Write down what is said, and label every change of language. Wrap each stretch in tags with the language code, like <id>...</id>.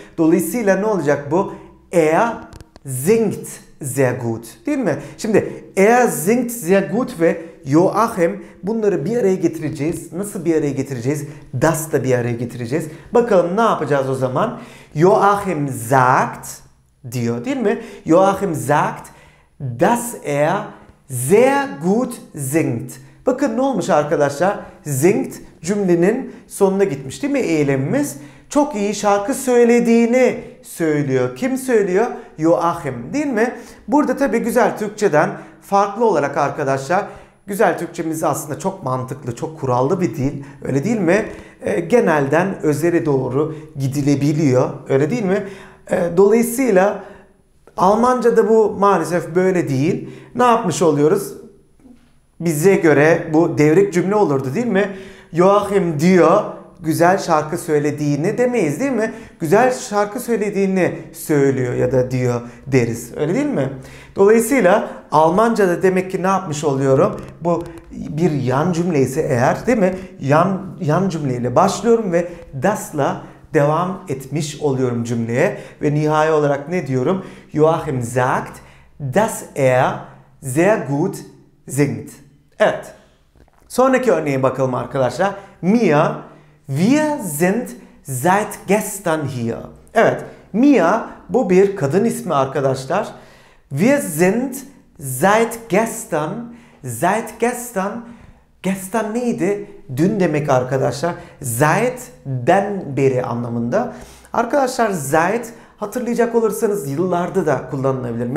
<tr>Dolayısıyla ne olacak bu?</tr> <de>Er singt sehr gut.</de> <tr>Değil mi? Şimdi</tr> <de>er singt sehr gut</de> <tr>ve Joachim, bunları bir araya getireceğiz. Nasıl bir araya getireceğiz? Das da bir araya getireceğiz. Bakalım ne yapacağız o zaman? Joachim sagt diyor, değil mi?</tr> <de>Joachim sagt, dass sehr gut singt.</de> <tr>Bakın ne olmuş arkadaşlar? Singt cümlenin sonuna gitmiş, değil mi eylemimiz? Çok iyi şarkı söylediğini söylüyor. Kim söylüyor? Joachim, değil mi? Burada tabii güzel Türkçeden farklı olarak arkadaşlar, güzel Türkçemiz aslında çok mantıklı, çok kurallı bir dil. Öyle değil mi? genelden özere doğru gidilebiliyor, öyle değil mi? Dolayısıyla Almanca'da bu maalesef böyle değil. Ne yapmış oluyoruz? Bize göre bu devrik cümle olurdu, değil mi? Joachim diyor, güzel şarkı söylediğini demeyiz, değil mi? Güzel şarkı söylediğini söylüyor ya da diyor deriz, öyle değil mi? Dolayısıyla Almanca'da demek ki ne yapmış oluyorum? Bu bir yan cümle ise eğer, değil mi? Yan cümleyle başlıyorum ve das'la devam etmiş oluyorum cümleye. Ve nihai olarak ne diyorum?</tr> <de>Joachim sagt, dass sehr gut singt.</de> <tr>Evet. Sonraki örneğe bakalım arkadaşlar.</tr> <de>Mia, wir sind seit gestern hier.</de> <tr>Evet. Mia bu bir kadın ismi arkadaşlar.</tr> <de>Wir sind seit gestern. Seit gestern.</de> <tr>Gestern neydi? Dün demek arkadaşlar. Seit, ben beri anlamında. Arkadaşlar seit, hatırlayacak olursanız yıllarda da kullanılabilir.</tr>